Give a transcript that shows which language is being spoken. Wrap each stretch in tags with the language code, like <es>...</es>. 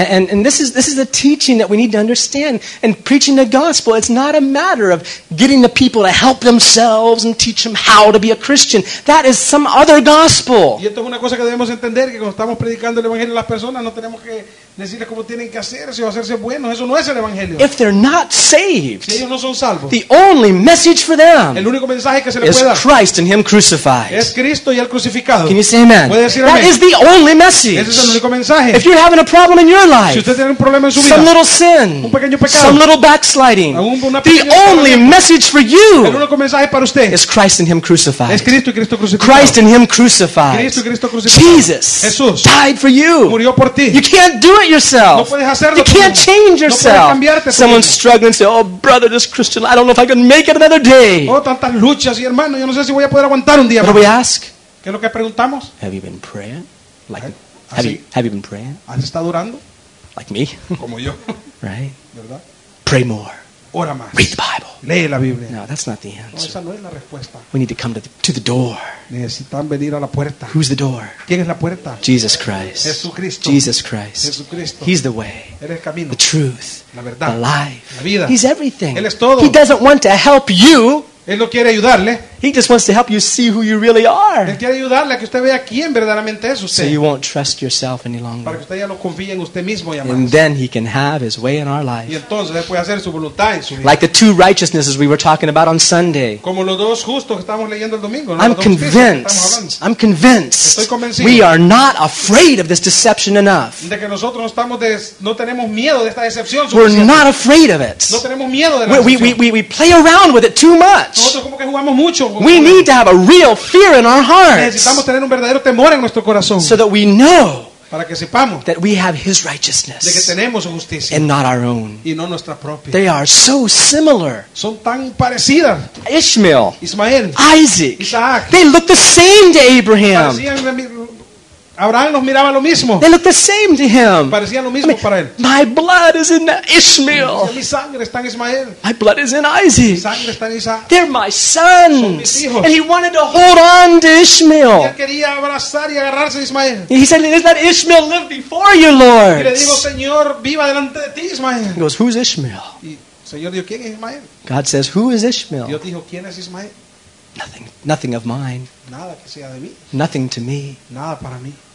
<en>And this is a teaching that we need to understand. And preaching the gospel, it's not a matter of getting the people to help themselves and teach them how to be a Christian. That is some other gospel.</en> <es>Y esto es una cosa que debemos entender, que cuando estamos predicando el evangelio a las personas, no tenemos que decirles cómo tienen que hacerse o hacerse buenos. Eso no es el evangelio.</es> <en>If they're not saved,</en> <es>si ellos no son salvos,</es> <en>the only message for them,</en> <es>el único mensaje que se le puede dar,</es> <en>is Christ and Him crucified.</en> <es>Es Cristo y el crucificado.</es> <en>Can you say amen?</en> <es>¿Puede decir</es> <en>that</en> <es>amen?</es> <en>Is the only message.</en> <es>Ese es el único mensaje.</es> <en>If you're having a problem in your life,</en> <es>si usted tiene un problema en su vida,</es> <en>some little sin,</en> <es>un pequeño pecado,</es> <en>some little backsliding, the only message for you,</en> <es>el único mensaje para usted,</es> <en>is Christ and Him crucified.</en> <es>Es Cristo y Cristo crucificado.</es> <en>Christ and Him crucified.</en> <es>Cristo y Cristo crucificado.</es> <en>Jesus,</en> <es>Jesús,</es> <en>died for you.</en> <es>Murió por ti.</es> <en>You can't do it yourself.</en> <es>No puedes hacerlo.</es> <en>You can't change yourself.</en> <es>No puedes cambiarte.</es> <en>Someone's struggling and say, oh brother, this Christian, I don't know if I can make it another day.</en> <es>Oh, tantas luchas y hermano, yo no sé si voy a poder aguantar un día.</es> <en>What do we ask?</en> <es>¿Qué es lo que preguntamos?</es> <en>Have you been praying? Like, have you been praying?</en> <es>¿Has estado orando?</es> <en>Like me.</en> <es>Como yo.</es> <en>Right?</en> <es>¿Verdad?</es> <en>Pray more.</en> <es>Ora más.</es> <en>Read the Bible.</en> <es>Lee la Biblia.</es> <en>No, that's not the answer.</en> <es>No, esa no es la respuesta.</es> <en>We need to come to the door.</en> <es>Necesitan venir a la puerta.</es> <en>Who's the door?</en> <es>¿Quién es la puerta?</es> <en>Jesus Christ.</en> <es>Jesucristo.</es> <en>Jesus Christ.</en> <es>Jesucristo.</es> <en>He's the way.</en> <es>Él es el camino.</es> <en>The truth.</en> <es>La verdad.</es> <en>The life.</en> <es>La vida.</es> <en>He's everything.</en> <es>Él es todo.</es> <en>He doesn't want to help you.</en> <es>Él no quiere ayudarle.</es> <en>He just wants to help you see who you really are.</en> <es>Él quiere ayudarle a que usted vea quién verdaderamente es usted.</es> <en>So you won't trust yourself any longer.</en> <es>Para que usted ya no confíe en usted mismo ya más.</es> <en>And then he can have his way in our life.</en> <es>Y entonces él puede hacer su voluntad en su vida.</es> <en>Like the two righteousnesses we were talking about on Sunday.</en> <es>Como los dos justos que estamos leyendo el domingo, ¿no?</es> <en>I'm convinced. I'm convinced.</en> <es>Estoy convencido.</es> <en>We are not afraid of this deception enough.</en> <es>De que nosotros no estamos no tenemos miedo de esta decepción.</es> <en>We're not afraid of it.</en> <es>No tenemos miedo de la decepción.</es> <en>We play around with it too much.</en> <es>Nosotros como que jugamos mucho.</es> <en>We need to have a real fear in our hearts.</en> <es>Necesitamos tener un verdadero temor en nuestro corazón.</es> <en>So that we know,</en> <es>para que sepamos,</es> <en>that we have His righteousness,</en> <es>de que tenemos justicia,</es> <en>and not our own.</en> <es>Y no nuestra propia.</es> <en>They are so similar.</en> <es>Son tan parecidas.</es> <en>Ishmael.</en> <es>Ismael.</es> <en>Isaac.</en> <es>Isaac.</es> <en>They look the same to Abraham.</en> <es>Abraham los miraba lo mismo.</es> <en>They look the same to him.</en> <es>Parecían lo mismo,</es> <en>I mean,</en> <es>para él.</es> <en>My blood is in Ishmael.</en> <es>Mi sangre está en Ismael.</es> <en>My blood is in Isaac.</en> <es>Mi sangre está en Isaac.</es> <en>They're my sons.</en> <es>Son mis hijos.</es> <en>And he wanted to hold on to Ishmael.</en> <es>Y él quería abrazar y agarrarse a Ismael.</es> <en>He said, "Is that Ishmael live before you, Lord?"</en> <es>Y le digo, Señor, viva delante de ti, Ismael.</es> <en>He goes, "Who's Ishmael?"</en> <es>Y Señor dijo, ¿quién es Ismael?</es> <en>God says, "Who is Ishmael?"</en> <es>Dios dijo, ¿quién es Ismael?</es> <en>Nothing of mine.</en> <es>Nada que sea de mí.</es> <en>Nothing to me.</en> <es>Nada para mí.</es>